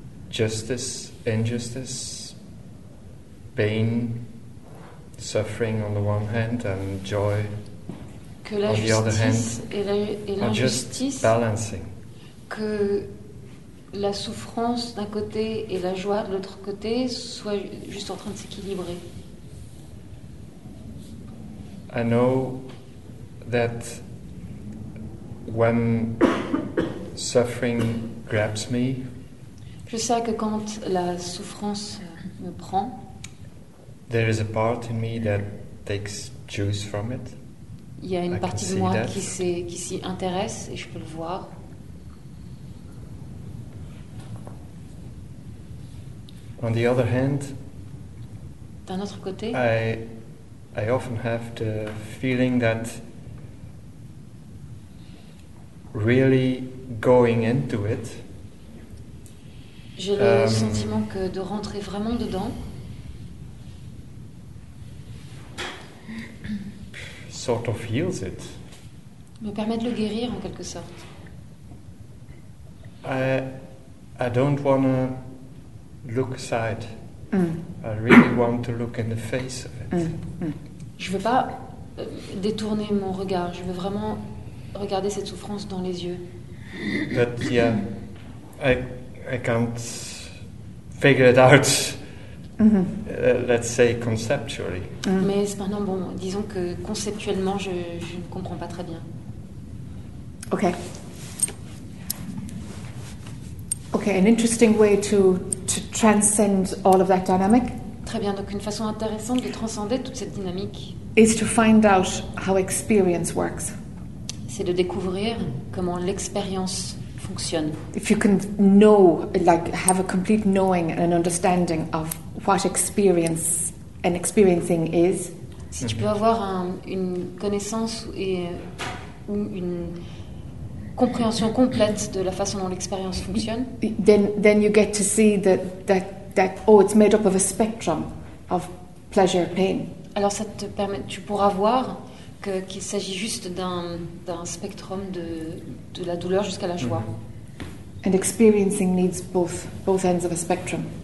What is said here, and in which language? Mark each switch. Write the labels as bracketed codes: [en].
[en] Justice, injustice, pain, suffering on the one hand, and joy. [fr] Que la justice et l'injustice, que la souffrance d'un côté et la joie de l'autre côté soient juste en train de s'équilibrer. [en] I know that when suffering grabs me, [fr] je sais que quand la souffrance me prend, [en] there is a part in me that takes juice from it. [fr] Il y a une partie de moi qui s'y intéresse et je peux le voir. [en] On the other hand, [fr] d'un autre côté, [en] I often have the feeling that really going into it, [fr] j'ai le sentiment que de rentrer vraiment dedans, [en] sort of heals it, [fr] me permet de le guérir en quelque sorte. [en] I don't want to look aside. Mm. I really want to look in the face of it. Mm. [fr] Je veux pas détourner mon regard. Je veux vraiment regarder cette souffrance dans les yeux. [en] But yeah, I can't figure it out. Let's say conceptually. Mm. [fr] Mais cependant, bon, disons que conceptuellement, je ne comprends pas très bien. [en] Okay. Okay, an interesting way to transcend all of that dynamic. [fr] Très bien, donc une façon intéressante de transcender toute cette dynamique. [en] Is to find out how experience works. [fr] C'est de découvrir comment l'expérience fonctionne. [en] If you can know, like have a complete knowing and an understanding of what experience and experiencing is. [fr] Si mm-hmm. tu peux avoir une connaissance ou une compréhension complète de la façon dont l'expérience fonctionne. [en] Then you get to see that it's made up of a spectrum of pleasure pain. [fr] Alors ça te permet, tu pourras voir qu'il s'agit juste d'un spectrum de la douleur jusqu'à la joie. Mm-hmm. [en] And experiencing needs both ends of a spectrum.